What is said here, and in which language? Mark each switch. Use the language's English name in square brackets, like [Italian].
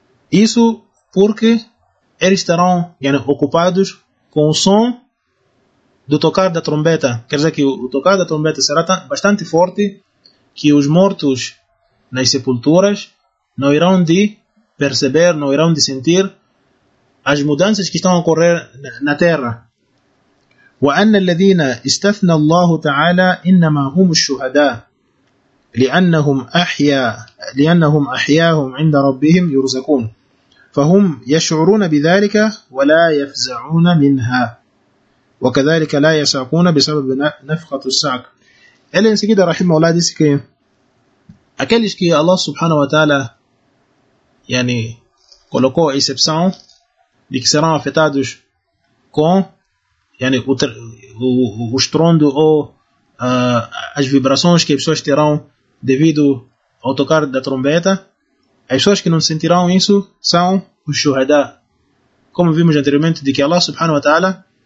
[Portuguese] Isso porque eles estarão yani, ocupados com o som do tocar da trombeta. Quer dizer que o tocar da trombeta será bastante forte que os mortos nas sepulturas não irão de perceber, não irão de sentir as mudanças que estão a ocorrer na terra. [Arabic] وَأَنَّ الَّذِينَ اسْتَثْنَى اللَّهُ تَعَالَى إِنَّمَا هُمُ الشُّهَدَاءَ لِأَنَّهُمْ أَحْيَاهُمْ عِنْدَ رَبِّهِمْ يُرْزَقُونَ فهم يشعرون بذلك ولا يفزعون منها وكذلك لا يصعقون بسبب نفخة الصعق. [Portuguese] Ele em seguida, rahimahullah, disse que aqueles que Allah subhanahu wa ta'ala yani, colocou a exceção de que serão afetados com yani, o estrondo ou as vibrações que as pessoas terão devido ao tocar da trombeta, as pessoas que não sentirão isso são o shuhada, como vimos anteriormente, de que Allah subhanahu wa ta'ala